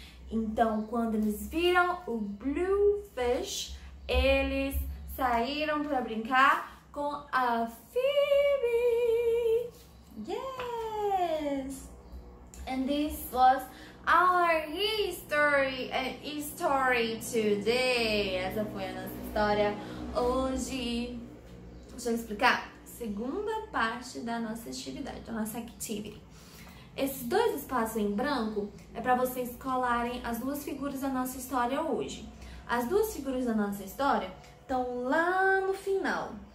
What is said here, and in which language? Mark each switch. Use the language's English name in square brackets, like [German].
[Portuguese] Então, quando eles viram o blue fish, eles saíram para brincar com a Phoebe. [English] Yes! And this was our history today. [Portuguese] Essa foi a nossa história hoje. Deixa eu explicar. Segunda parte da nossa atividade, da nossa activity. Esses dois espaços em branco é para vocês colarem as duas figuras da nossa história hoje. As duas figuras da nossa história estão lá no final.